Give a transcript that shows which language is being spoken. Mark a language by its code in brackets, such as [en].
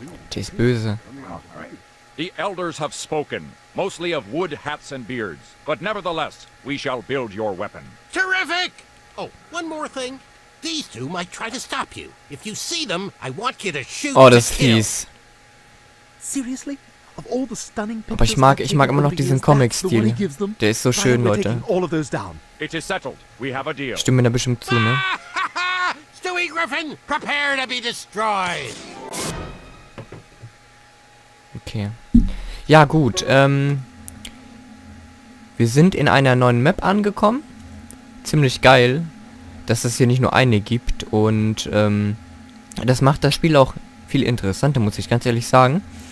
[de] Tis böse. [en] The elders have spoken, mostly of wood hats and beards. But nevertheless, we shall build your weapon. Terrific! Oh, one more thing. These two might try to stop you. If you see them, I want you to shoot them. [de] Oh, das fies. [en] Seriously? [de] Aber ich mag immer noch diesen Comic-Stil. Der ist so schön, Leute. Ich stimme da bestimmt zu, ne? [en] Stewie Griffin, prepare to be destroyed. [de] Okay. Ja, gut. Wir sind in einer neuen Map angekommen. Ziemlich geil, dass es hier nicht nur eine gibt. Und das macht das Spiel auch viel interessanter, muss ich ganz ehrlich sagen.